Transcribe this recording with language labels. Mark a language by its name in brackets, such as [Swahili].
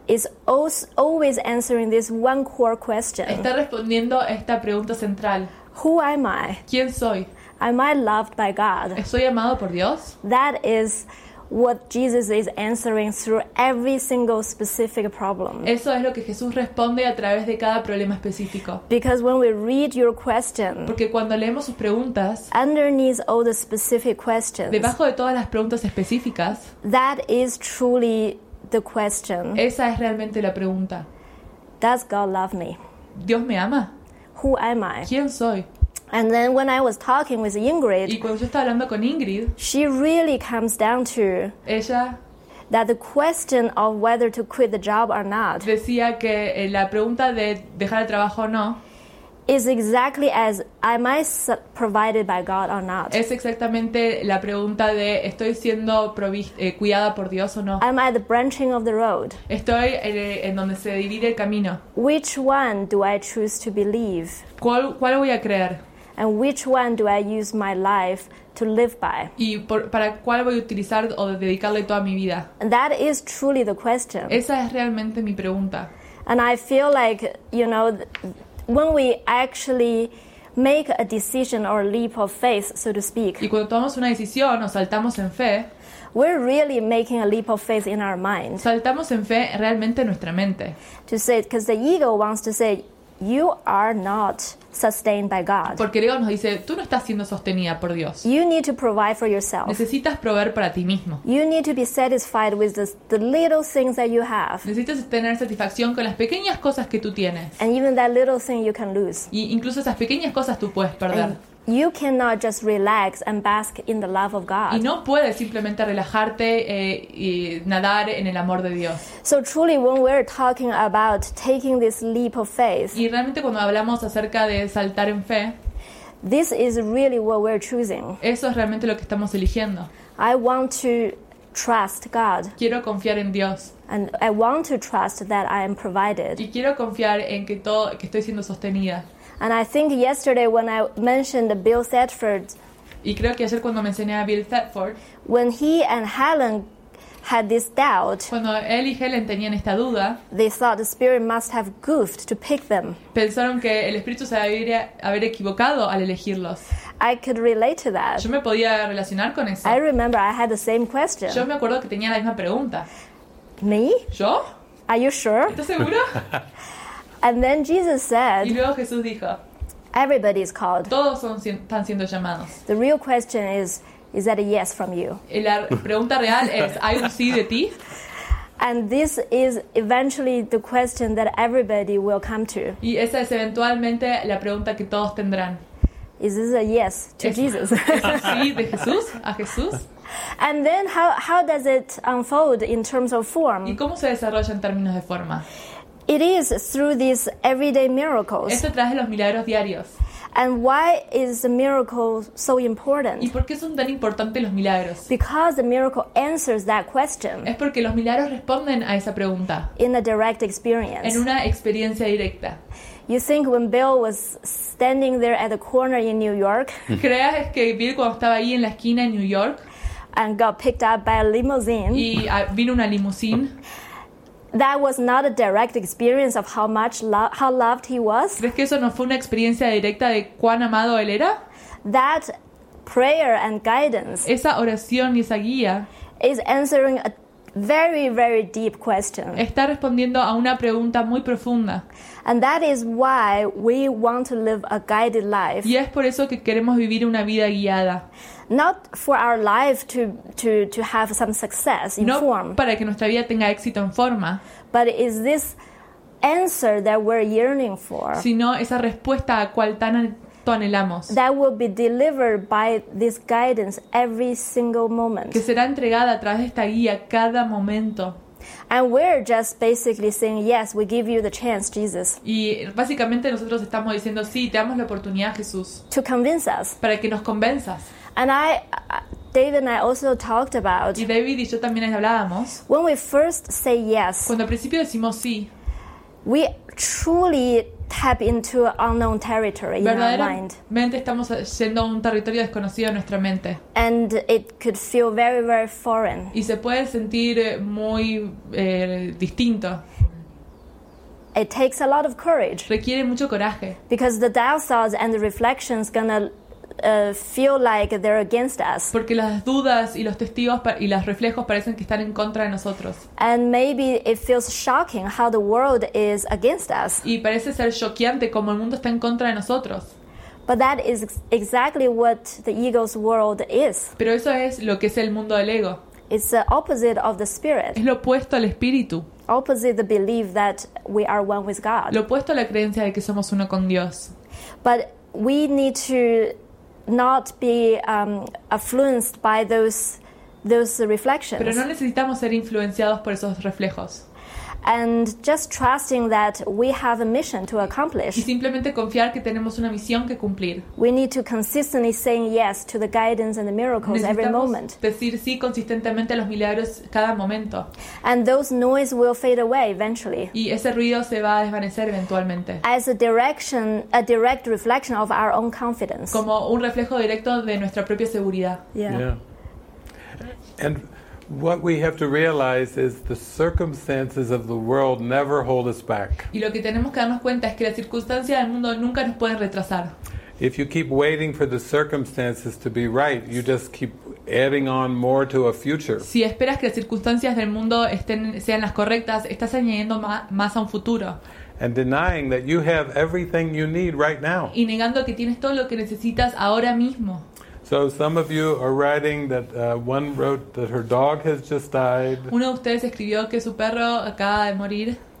[English] is always answering this one core question. [Spanish] Está respondiendo esta pregunta central. [English] Who am I? [Spanish] ¿Quién soy? [English] Am I loved by God? [Spanish] ¿Soy amado por Dios? [English] That is what Jesus is answering through every single specific problem. [Spanish] Eso es lo que Jesús responde a través de cada problema específico. [English] Because when we read your question, [Spanish] porque cuando leemos sus preguntas, [English] underneath all the specific questions, [Spanish] debajo de todas las preguntas específicas, [English] that is truly the question. [Spanish] Esa es realmente la pregunta. [English] Does God love me? [Spanish] ¿Dios me ama? [English] Who am I? [Spanish] ¿Quién soy? [English] And then when I was talking with Ingrid, [Spanish] y cuando yo estaba hablando con Ingrid, [English] she really comes down to [Spanish] ella, [English] that the question of whether to quit the job or not, [Spanish] decía que la pregunta de dejar el trabajo o no, [English] is exactly as am I provided by God or not? [Spanish] Es exactamente la pregunta de estoy siendo cuidada por Dios o no. [English] Am I the branching of the road? [Spanish] Estoy en donde se divide el camino. [English] Which one do I choose to believe? [Spanish] ¿Cuál voy a creer? [English] And which one do I use my life to live by? [Spanish] ¿Y para cuál voy a utilizar o dedicarle toda mi vida? [English] That is truly the question. [Spanish] Esa es realmente mi pregunta. [English] And I feel like, you know, when we actually make a decision or a leap of faith, so to speak. [Spanish] Y cuando tomamos una decisión o saltamos en fe, [English] we're really making a leap of faith in our mind. [Spanish] Saltamos en fe realmente en nuestra mente. [English] To say, because the ego wants to say, you are not sustained by God. [Spanish] Porque el ego nos dice, tú no estás siendo sostenida por Dios. [English] You need to provide for yourself. [Spanish] Necesitas proveer para ti mismo. [English] You need to be satisfied with the little things that you have. [Spanish] Necesitas tener satisfacción con las pequeñas cosas que tú tienes. [English] And even that little thing you can lose. [Spanish] Y incluso esas pequeñas cosas tú puedes perder. [English] You cannot just relax and bask in the love of God. [Spanish] Y no puedes simplemente relajarte y nadar en el amor de Dios. [English] So truly, when we're talking about taking this leap of faith, [Spanish] y realmente cuando hablamos acerca de saltar en fe, [English] this is really what we're choosing. [Spanish] Eso es realmente lo que estamos eligiendo. [English] I want to trust God. [Spanish] Quiero confiar en Dios. [English] And I want to trust that I am provided. [Spanish] Y quiero confiar en que todo que estoy siendo sostenida. [English] And I think yesterday when I mentioned Bill Thetford, [Spanish] y creo que ayer cuando mencioné a Bill Thetford, [English] when he and Helen had this doubt, [Spanish] cuando él y Helen tenían esta duda, [English] they thought the spirit must have goofed to pick them. [Spanish] Pensaron que el espíritu se debería haber equivocado al elegirlos. [English] I could relate to that. [Spanish] Yo me podía relacionar con eso. [English] I remember I had the same question. [Spanish] Yo me acuerdo que tenía la misma pregunta. [English] Me? [Spanish] ¿Yo? [English] Are you sure? [Spanish] ¿Estás segura? [English] And then Jesus said, [Spanish] y luego Jesús dijo, [English] everybody is called. [Spanish] Todos están siendo llamados. [English] The real question is that a yes from you? [Spanish] Y la pregunta real es, ¿hay un sí de ti? [English] And this is eventually the question that everybody will come to. [Spanish] Y esa es eventualmente la pregunta que todos tendrán. [English] Is this a yes to Jesus? [Spanish] ¿Es un sí de Jesús a Jesús? [English] And then how does it unfold in terms of form? [Spanish] ¿Y cómo se desarrolla en términos de forma? [English] It is through these everyday miracles. [Spanish] Es a través de los milagros diarios. [English] And why is the miracle so important? [Spanish] ¿Y por qué son tan importantes los milagros? [English] Because the miracle answers that question. [Spanish] Es porque los milagros responden a esa pregunta. [English] In a direct experience. [Spanish] En una experiencia directa. [English] You think when Bill was standing there at the corner in New York? [Spanish] ¿Crees que Bill cuando estaba ahí en la esquina en New York? [English] And got picked up by a limousine. [Spanish] Y vino una limusina. [English] That was not a direct experience of how much how loved he was. [Spanish] ¿Crees que eso no fue una experiencia directa de cuán amado él era? [English] That prayer and guidance. [Spanish] Esa oración y esa guía [English] is answering a very, very deep question. [Spanish] Está respondiendo a una pregunta muy profunda. [English] And that is why we want to live a guided life. [Spanish] Y es por eso que queremos vivir una vida guiada. [English] Not for our life to have some success in [Spanish] no [English] form. [Spanish] No para que nuestra vida tenga éxito en forma. [English] But is this answer that we're yearning for? [Spanish] Sino esa respuesta a cual tan anhelamos. [English] That will be delivered by this guidance every single moment. [Spanish] Que será entregada a través de esta guía cada momento. [English] And we're just basically saying yes, we give you the chance, Jesus. [Spanish] Y básicamente nosotros estamos diciendo sí, te damos la oportunidad, Jesús. [English] To convince us. [Spanish] Para que nos convenzas. [English] And I, David and I also talked about. [Spanish] Y David y yo también hablábamos. [English] When we first say yes. [Spanish] Cuando al principio decimos sí. [English] We truly tap into unknown territory in our mind. [Spanish] Verdaderamente estamos yendo a un territorio desconocido en nuestra mente. [English] And it could feel very, very foreign. [Spanish] Y se puede sentir muy distinto. [English] It takes a lot of courage. [Spanish] Requiere mucho coraje. [English] Because the doubt thoughts and the reflections gonna feel like they're against us. [Spanish] Porque las dudas y los testigos y los reflejos parecen que están en contra de nosotros. [English] And maybe it feels shocking how the world is against us. [Spanish] Y parece ser choqueante como el mundo está en contra de nosotros. [English] But that is exactly what the ego's world is. [Spanish] Pero eso es lo que es el mundo del ego. [English] It's the opposite of the spirit. [Spanish] Es lo opuesto al espíritu. [English] Opposite the belief that we are one with God. [Spanish] Lo opuesto a la creencia de que somos uno con Dios. [English] But we need to not be influenced by those reflections. [Spanish] Pero no necesitamos ser influenciados por esos reflejos. [English] And just trusting that we have a mission to accomplish. [Spanish] Y simplemente confiar que tenemos una misión que cumplir. [English] We need to consistently say yes to the guidance and the miracles every moment. [Spanish] Decir sí consistentemente a los milagros cada momento. [English] And those noise will fade away eventually. [Spanish] Y ese ruido se va a desvanecer eventualmente. [English] As a direct reflection of our own confidence. [Spanish] Como un reflejo directo de nuestra propia seguridad. [English] Yeah. And what we have to realize is the circumstances of the world never hold us back. [Spanish] Y lo que tenemos que darnos cuenta es que las circunstancias del mundo nunca nos pueden retrasar. [English] If you keep waiting for the circumstances to be right, you just keep adding on more to a future. [Spanish] Si esperas que las circunstancias del mundo sean las correctas, estás añadiendo más a un futuro. [English] And denying that you have everything you need right now. [Spanish] Y negando que tienes todo lo que necesitas ahora mismo. [English] So some of you are writing that one wrote that her dog has just died. [Spanish] Uno de ustedes escribió que su perro acaba de morir.